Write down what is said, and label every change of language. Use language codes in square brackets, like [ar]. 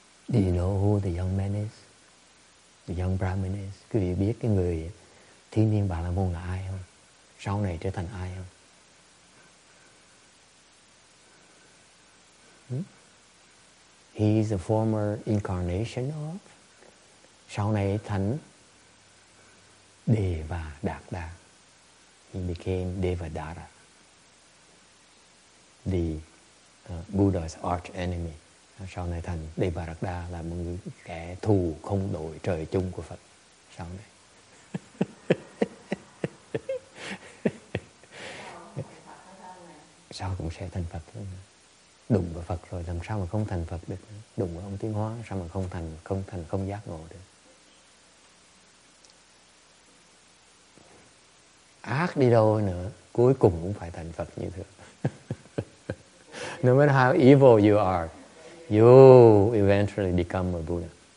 [en] Do you know who the young man is? The young Brahmin is? [vi] Quý vị biết cái người thiên niên Bà La Môn là ai không? Sau này trở thành ai không? [en] He is a former incarnation of [vi] sau này thành [en] Deva Dada. He became Deva Dada, the Buddha's arch enemy. [vi] Sau này thành Deva Dada là một người kẻ thù không đội trời chung của Phật. Sau này. Sau cũng sẽ thành Phật. Đụng vào Phật rồi làm sao mà không thành Phật được. Đụng vào ông Tiến Hóa sao mà không thành không giác ngộ được. Ác đi đâu nữa, cuối cùng cũng phải thành Phật như thế. [en] No matter how evil you are, you eventually become a Buddha.